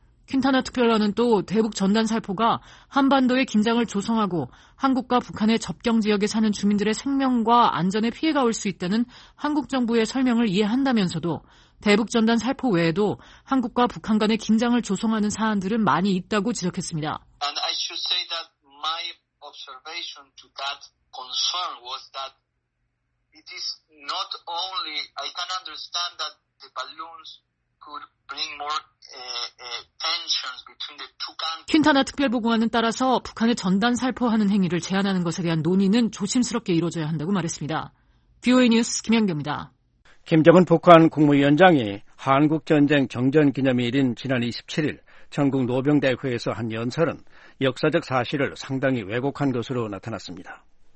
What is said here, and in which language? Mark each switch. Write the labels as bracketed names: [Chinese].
[Korean] 퀸타나 특별관은 또 대북 전단 살포가 한반도의 긴장을 조성하고 한국과 북한의 접경 지역에 사는 주민들의 생명과 안전에 피해가 올 수 있다는 한국 정부의 설명을 이해한다면서도 대북 전단 살포 외에도 한국과 북한 간의 긴장을 조성하는 사안들은 많이 있다고 지적했습니다. [English] And I should say that my observation to that concern was that it is not only I can understand that the balloons could bring more tensions between the two countries. [Korean] 퀸타나 특별보고관은 따라서 북한의 전단 살포하는 행위를 제한하는 것에 대한 논의는 조심스럽게 이루어져야 한다고 말했습니다. BOA 뉴스 김현경입니다. 김정은 북한 국무위원장이 한국 전쟁 정전 기념일인 지난 27일 전국 노병 대회에서 한 연설은 역사적 사실을 상당히 왜곡한 것으로 나타났습니다.